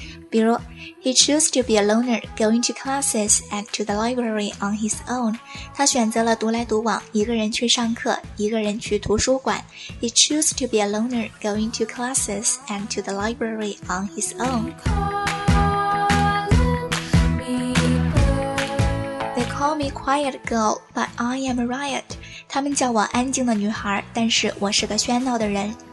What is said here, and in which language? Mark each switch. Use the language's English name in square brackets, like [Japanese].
[Chinese] 比如 [English] He chose to be a loner, going to classes and to the library on his own. [Chinese] 他选择了独来独往，一个人去上课，一个人去图书馆。 [English] He chose to be a loner, going to classes and to the library on his own. They call me quiet girl, but I am a riot. [Chinese] 他们叫我安静的女孩，但是我是个喧闹的人。